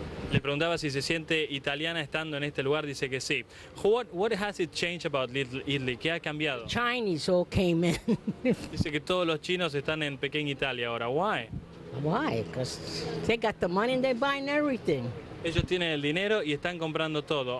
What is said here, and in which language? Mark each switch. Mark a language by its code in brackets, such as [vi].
[es] Le preguntaba si se siente italiana estando en este lugar, dice que sí. [en] What has it changed about Little Italy? [es] ¿Qué ha cambiado? [en] Chinese all came in. [es] Dice que todos los chinos están en pequeña Italia ahora. [en] Why? Why? Because they got the money and they're buying everything. [es] Ellos tienen el dinero y están comprando todo.